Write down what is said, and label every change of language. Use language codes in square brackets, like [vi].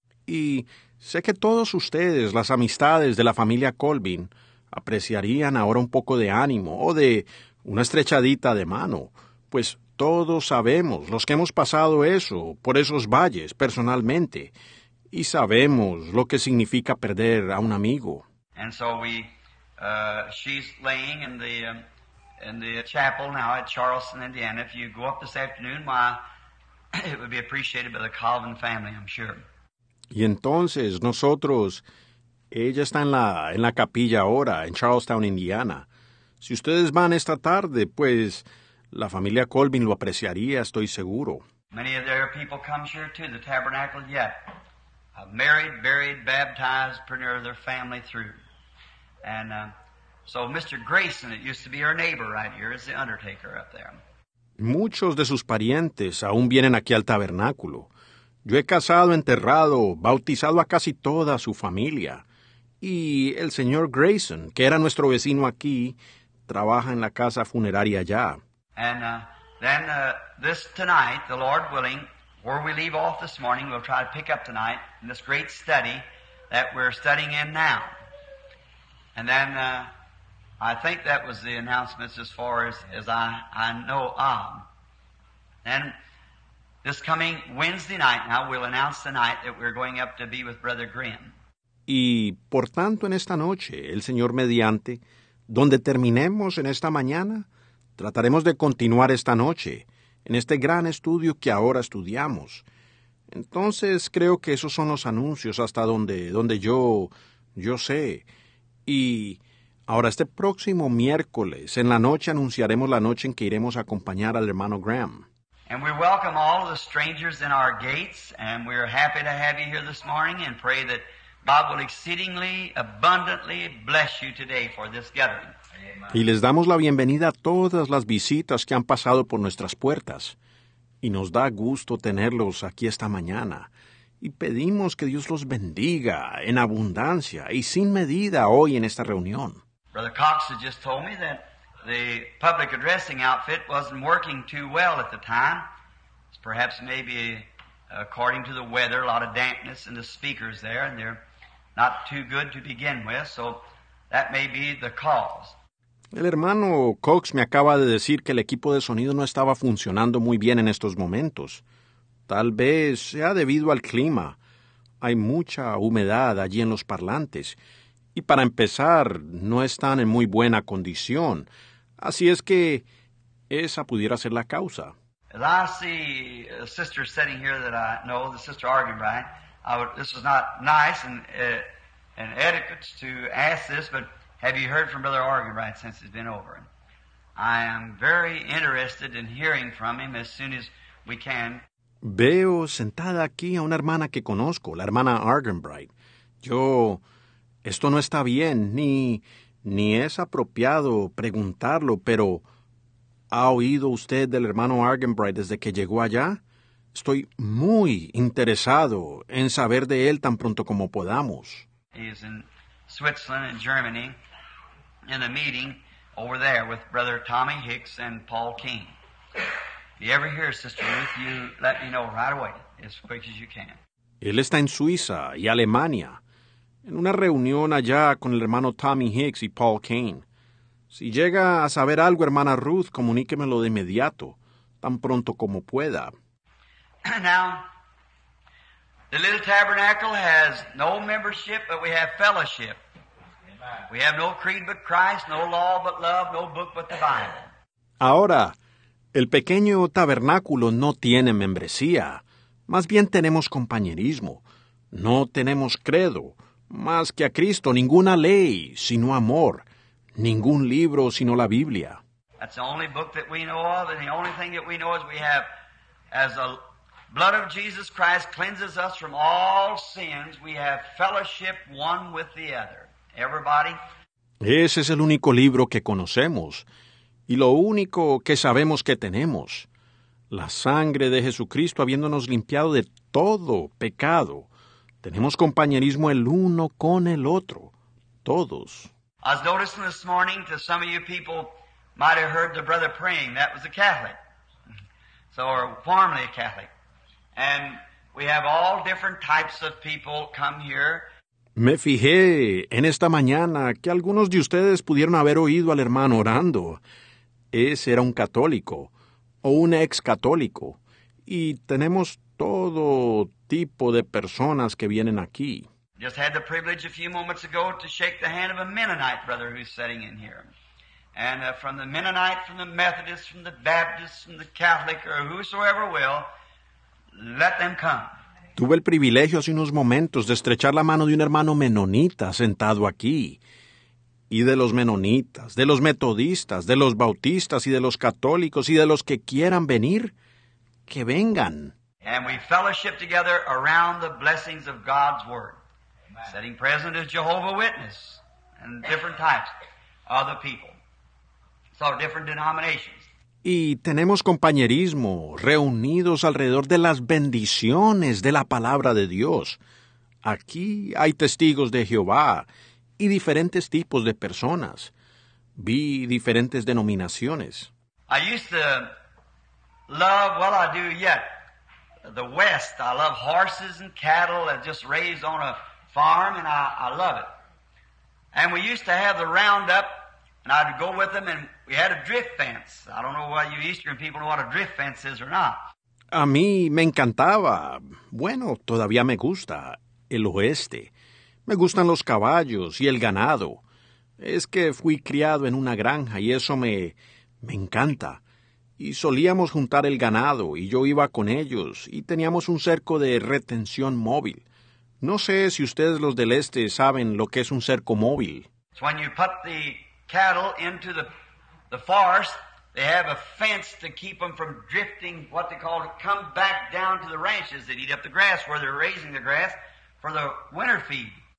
[es] Y sé que todos ustedes, las amistades de la familia Colvin, apreciarían ahora un poco de ánimo o de una estrechadita de mano, pues todos sabemos, los que hemos pasado eso, por esos valles, personalmente, y sabemos lo que significa perder a un amigo. [en] And so we, she's laying in the chapel now at Charleston, Indiana. If you go up this afternoon, why, it would be appreciated by the Colvin family, I'm sure. [es] Y entonces nosotros, ella está en la capilla ahora, en Charlestown, Indiana. Si ustedes van esta tarde, pues la familia Colvin lo apreciaría, estoy seguro. [en] Many of their people come here to the tabernacle yet. Married, buried, baptized, preneur their family through. And so Mr. Grayson, it used to be our neighbor right here, is the undertaker up there. [es] Muchos de sus parientes aún vienen aquí al tabernáculo. Yo he casado, enterrado, bautizado a casi toda su familia. Y el señor Grayson, que era nuestro vecino aquí, trabaja en la casa funeraria allá. [en] And then this tonight, the Lord willing, where we leave off this morning, we'll try to pick up tonight in this great study that we're studying in now. And then I think that was the announcements as far as I know of. And this coming Wednesday night, now we'll announce tonight that we're going up to be with Brother Grimm. [es] Y por tanto en esta noche, el Señor mediante, donde terminemos en esta mañana, trataremos de continuar esta noche en este gran estudio que ahora estudiamos. Entonces creo que esos son los anuncios hasta donde yo sé. Y ahora este próximo miércoles en la noche anunciaremos la noche en que iremos a acompañar al hermano Grimm. [en] And we welcome all the strangers in our gates, and we are happy to have you here this morning, and pray that God will exceedingly, abundantly bless you today for this gathering. [es] Y les damos la bienvenida a todas las visitas que han pasado por nuestras puertas. Y nos da gusto tenerlos aquí esta mañana. Y pedimos que Dios los bendiga en abundancia y sin medida hoy en esta reunión. [en] Brother Cox has just told me that the public addressing outfit wasn't working too well at the time. It's perhaps maybe according to the weather, a lot of dampness in the speakers there, and they're not too good to begin with, so that may be the cause. [es] El hermano Cox me acaba de decir que el equipo de sonido no estaba funcionando muy bien en estos momentos. Tal vez sea debido al clima. Hay mucha humedad allí en los parlantes. Y para empezar, no están en muy buena condición. Así es que esa pudiera ser la causa. [en] As I see a sister sitting here that I know, the sister Argenbright, this is not nice and etiquette to ask this, but have you heard from Brother Argenbright since it's been over? I am very interested in hearing from him as soon as we can. [es] Veo sentada aquí a una hermana que conozco, la hermana Argenbright. Yo, esto no está bien, ni es apropiado preguntarlo, pero ¿ha oído usted del hermano Argenbright desde que llegó allá? Estoy muy interesado en saber de él tan pronto como podamos. [en] He's in Switzerland and Germany in a meeting over there with Brother Tommy Hicks and Paul King. If you ever hear Sister Ruth, you let me know right away, as quick as you can. [es] Él está en Suiza y Alemania, en una reunión allá con el hermano Tommy Hicks y Paul Kane. Si llega a saber algo, hermana Ruth, comuníquemelo de inmediato, tan pronto como pueda. [en] Now, the little tabernacle has no membership, but we have fellowship. We have no creed but Christ, no law but love, no book but the Bible. [es] Ahora, el pequeño tabernáculo no tiene membresía. Más bien tenemos compañerismo. No tenemos credo. Más que a Cristo, ninguna ley, sino amor. Ningún libro, sino la Biblia. [en] That's the only book that we know of, and the only thing that we know is we have, as the blood of Jesus Christ cleanses us from all sins, we have fellowship one with the other. Everybody? [es] Ese es el único libro que conocemos y lo único que sabemos que tenemos. La sangre de Jesucristo habiéndonos limpiado de todo pecado. Tenemos compañerismo el uno con el otro. Todos. [en] I was noticing this morning that some of you people might have heard the brother praying. That was a Catholic. So, or formerly a Catholic. And We have all different types of people come here. [es] Me fijé en esta mañana que algunos de ustedes pudieron haber oído al hermano orando. Ese era un católico o un ex católico. Y tenemos todo tipo de personas que vienen aquí. [en] Just had the privilege a few moments ago to shake the hand of a Mennonite brother who's sitting in here. And from the Mennonite, from the Methodist, from the Baptist, from the Catholic, or whosoever will, let them come. [es] Tuve el privilegio hace unos momentos de estrechar la mano de un hermano menonita sentado aquí. Y de los menonitas, de los metodistas, de los bautistas y de los católicos y de los que quieran venir, que vengan. [en] And we fellowship together around the blessings of God's Word. Sitting present is Jehovah's Witness and different types of other people. So different denominations. [es] Y tenemos compañerismo, reunidos alrededor de las bendiciones de la palabra de Dios. Aquí hay testigos de Jehová y diferentes tipos de personas. Vi diferentes denominaciones. [en] I used to love, well, I do yet, the West. I love horses and cattle that just raised on a farm, and I love it. And we used to have the roundup. And I'd go with them, and we had a drift fence. I don't know why you Eastern people know what a drift fence is or not. [es] A mí me encantaba. Bueno, todavía me gusta. El oeste. Me gustan los caballos y el ganado. Es que fui criado en una granja, y eso me encanta. Y solíamos juntar el ganado, y yo iba con ellos, y teníamos un cerco de retención móvil. No sé si ustedes los del este saben lo que es un cerco móvil. [en] It's when you put the cattle into the forest, they have a fence to keep them from drifting, what they call, come back down to the ranches that eat up the grass where they're raising the grass for the winter feed.